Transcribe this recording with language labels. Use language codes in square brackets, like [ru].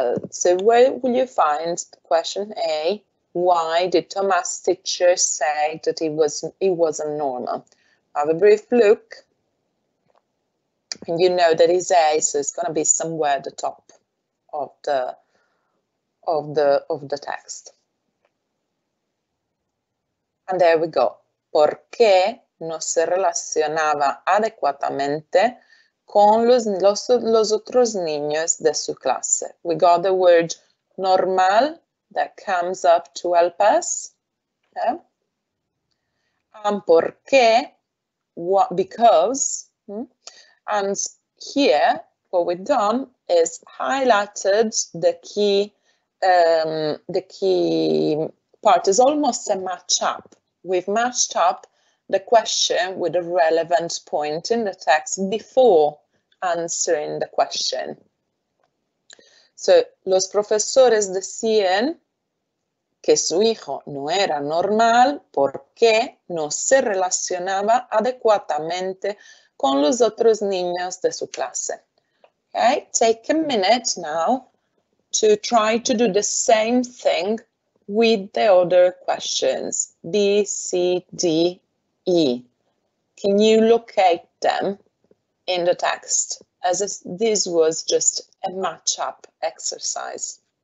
[en] So where will you find question A? Why did Thomas' teacher say that he wasn't normal? Have a brief look. And you know that it's A, so it's going to be somewhere at the top of the text. And there we go. [es] ¿Por qué no se relacionaba adecuadamente con los otros niños de su clase? [en] We got the word normal that comes up to help us. Yeah. And [es] por qué, [en] what, because. And here, what we've done is highlighted the key part. It's almost a match up. We've matched up the question with a relevant point in the text before answering the question. [es] So, los profesores decían que su hijo no era normal porque no se relacionaba adecuadamente con los otros niños de su clase. [en] Okay, take a minute now to try to do the same thing with the other questions, B, C, D, E. Can you locate them in the text, as this was just a match-up exercise?